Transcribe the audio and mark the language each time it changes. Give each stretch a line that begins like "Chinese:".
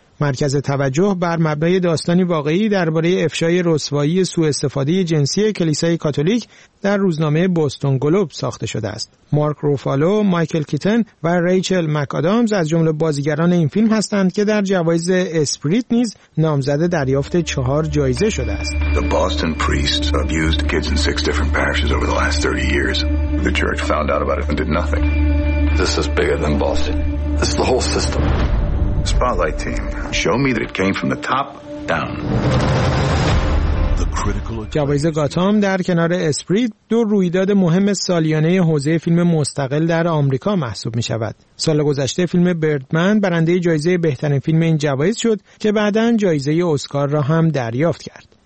Persian: مرکز توجه بر مبنای داستانی واقعی درباره افشای رسوایی سوء استفاده جنسی کلیسای کاتولیک در روزنامه بوستون گلوب ساخته شده است. مارک روفالو، مایکل کیتن و ریچل مک‌آدامز از جمله بازیگران این فیلم هستند که در جوایز اسپریت نیز نامزد دریافت 4 جایزه شده است.
English: The Boston priests abused kids in 6 different parishes over the last 30 years. The church found out about it and did nothing. This is bigger than Boston. This is the whole system. Spotlight team, show me that it came from the top down.
Persian: جوایز گاتام در کنار اسپریت دو رویداد مهم سالیانه حوزه فیلم مستقل در آمریکا محسوب می شود. سال گذشته فیلم بردمن برنده جایزه بهترین فیلم این جوایز شد که بعداً جایزه اسکار را هم دریافت کرد.